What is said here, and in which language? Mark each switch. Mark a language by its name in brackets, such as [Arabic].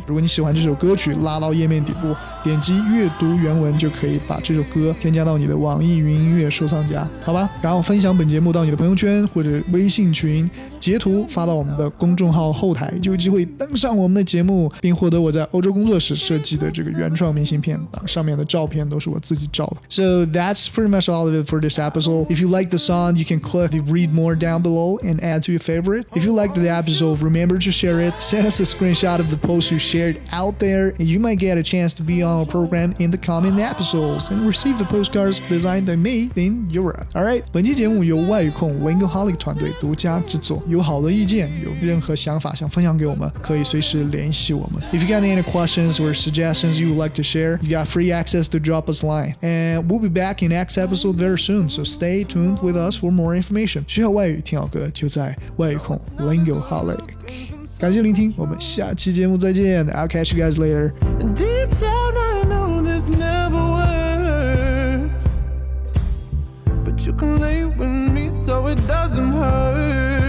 [Chinese] 如果你喜欢这首歌曲，拉到页面底部点击阅读原文，就可以把这首歌添加到你的网易云音乐收藏夹，好吧。然后分享本节目到你的朋友圈或者微信群，截图发到我们的公众号后台，就有机会登上我们的节目，并获得我在欧洲工作时设计的这个原创明信片，上面的照片都是我自己照的。 [English] So that's pretty much all of it for this episode. If you like the song, you can click the read more down below and add to your favorite. If you like the episode, remember to share it. Send us a screenshot of the post you shared out there, and you might get a chance to be on our program in the coming episodes and receive the postcards designed by me in Europe. [Chinese] Alright, 本期节目由外语控 Lingoholic 团队独家制作，有好的意见，有任何想法想分享给我们，可以随时联系我们。 [English] If you got any questions or suggestions you would like to share, you got free access to drop us a line. And we'll be back in next episode very soon, so stay tuned with us for more information. [Chinese] 学好外语，听好歌，就在外语控 Lingoholic。感谢聆听，我们下期节目再见。 [English] I'll catch you guys later. Deep down I know this never works, but you can lay with me so it doesn't hurt.